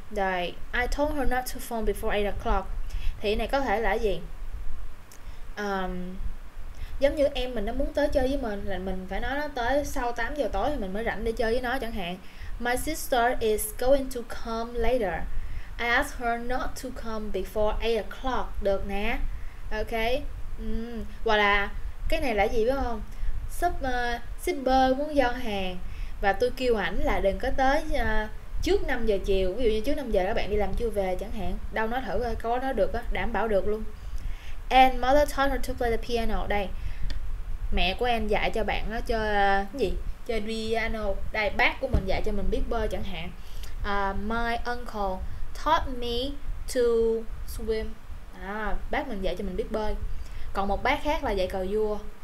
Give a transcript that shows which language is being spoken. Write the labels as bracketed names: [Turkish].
[English] Rồi, I told her not to phone before 8 o'clock. [Vietnamese] Thì này có thể là gì? Giống như em mình nó muốn tới chơi với mình là mình phải nói nó tới sau 8 giờ tối thì mình mới rảnh để chơi với nó chẳng hạn. [English] My sister is going to come later. I asked her not to come before 8 o'clock. [Vietnamese] Được nè. Ok. Hoặc là cái này là gì biết không? Shipper muốn giao hàng và tôi kêu ảnh là đừng có tới trước 5 giờ chiều, ví dụ như trước 5 giờ các bạn đi làm chưa về chẳng hạn. Đâu nói thử coi, có nói được á, đảm bảo được luôn. [English] And mother taught her to play the piano. [Vietnamese] Đây, mẹ của em dạy cho bạn nó chơi gì, chơi piano. Đây, bác của mình dạy cho mình biết bơi chẳng hạn. [English] My uncle taught me to swim. [Vietnamese] Bác mình dạy cho mình biết bơi. Còn một bác khác là dạy cờ vua.